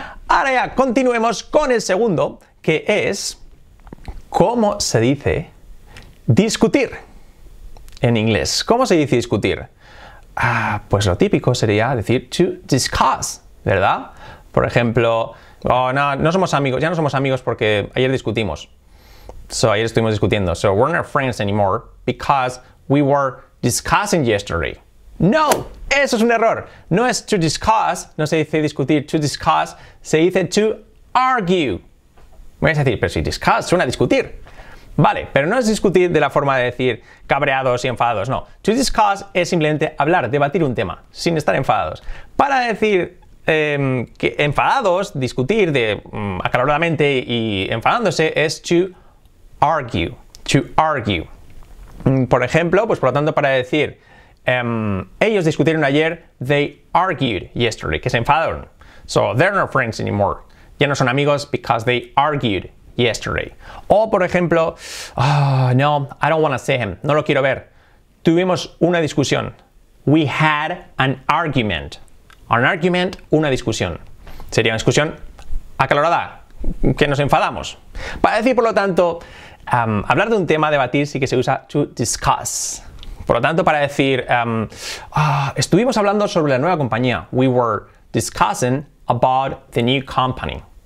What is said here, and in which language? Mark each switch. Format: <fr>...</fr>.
<es>Ahora ya, continuemos con el segundo, que es, ¿cómo se dice discutir en inglés? ¿Cómo se dice discutir? Ah, pues lo típico sería decir to discuss, ¿verdad? Por ejemplo, oh, no, no somos amigos, ya no somos amigos porque ayer discutimos.</es> <en>So,</en> <es>ayer estuvimos discutiendo.</es> <en>So, we're not friends anymore because we were discussing yesterday.</en> <es>No, eso es un error. No es to discuss, no se dice discutir, to discuss, se dice to argue. Me vais a decir, pero si discuss suena a discutir. Vale, pero no es discutir de la forma de decir cabreados y enfadados, no. To discuss es simplemente hablar, debatir un tema, sin estar enfadados. Para decir que enfadados, discutir de acaloradamente y enfadándose, es to argue. To argue. Por ejemplo, pues por lo tanto, para decir ellos discutieron ayer,</es> <en>they argued yesterday,</en> <es>que se enfadaron.</es> <en>So, they're not friends anymore.</en> <es>Ya no son amigos</es> <en>because they argued yesterday.</en> <es>O, por ejemplo,</es> <en>no, I don't want to see him.</en> <es>No lo quiero ver. Tuvimos una discusión.</es> <en>We had an argument.</en> <es>An argument, una discusión. Sería una discusión acalorada, que nos enfadamos. Para decir, por lo tanto, hablar de un tema, debatir, sí que se usa to discuss. Por lo tanto, para decir, estuvimos hablando sobre la nueva compañía.</es> <en>We were discussing about the new company.</en>